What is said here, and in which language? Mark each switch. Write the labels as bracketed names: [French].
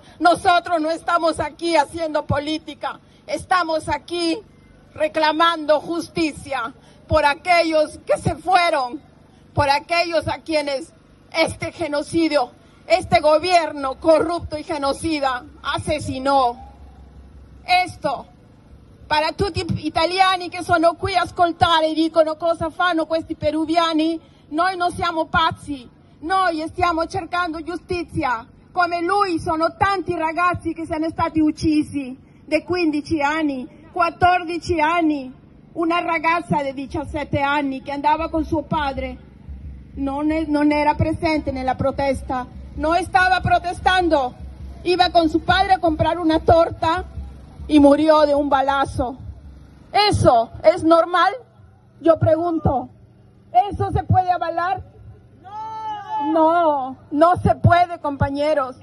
[Spanish] Nosotros no estamos aquí haciendo política, estamos aquí reclamando justicia por aquellos que se fueron, por aquellos a quienes este genocidio, este gobierno corrupto y genocida asesinó. [Italian] Esto, para tutti italiani que sono qui ascoltare, dicono cosa fanno questi peruviani, noi non siamo pazzi, noi stiamo cercando giustizia. Come lui sono tanti ragazzi che sono stati uccisi di 15 anni, 14 anni, una ragazza di 17 anni che andava con suo padre, non era presente nella protesta, non stava protestando, [Spanish] iba [Italian] con suo padre a comprare una torta e [Spanish] murió [Italian] di un balazo. [Spanish] Eso è normal? Io pregunto, eso se puede avalar? No, no se puede, compañeros.